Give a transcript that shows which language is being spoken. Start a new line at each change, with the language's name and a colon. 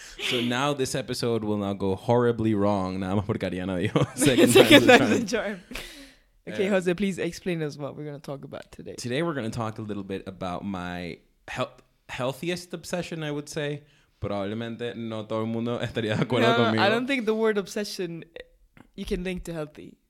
English: So now this episode will not go horribly wrong. Now I'm going to second time's a charm. Okay, Jose, please explain us what we're going to talk about today. Today we're going to talk a little bit about my healthiest obsession, I would say.
Spanish: Probablemente no todo el mundo estaría de acuerdo conmigo.
English: I don't think the word obsession you can link to healthy.